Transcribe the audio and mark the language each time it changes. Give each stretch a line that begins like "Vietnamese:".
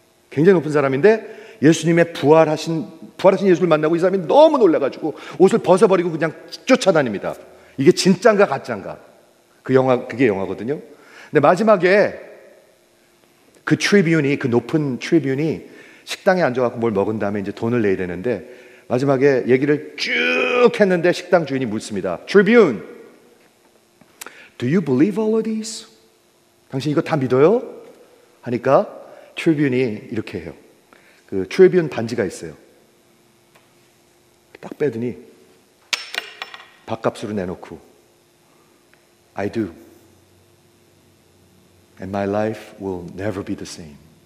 Korean: 굉장히 높은 사람인데 예수님의 부활하신 예수를 만나고 이 사람이 너무 놀라가지고 옷을 벗어버리고 그냥 쫓아다닙니다. 이게 진짠가 가짠가. 그게 영화거든요. 근데 마지막에 그 트리뷴이, 그 높은 트리뷴이 식당에 앉아갖고 뭘 먹은 다음에 이제 돈을 내야 되는데 마지막에 얘기를 쭉 했는데 식당 주인이 묻습니다.
English: Tribune, do you believe all of these?
Korean: 당신 이거 다 믿어요? 하니까 Tribune이 이렇게 해요. 그 Tribune 반지가 있어요. 딱 빼더니 밥값으로 내놓고
English: I do. And my life will never be the same.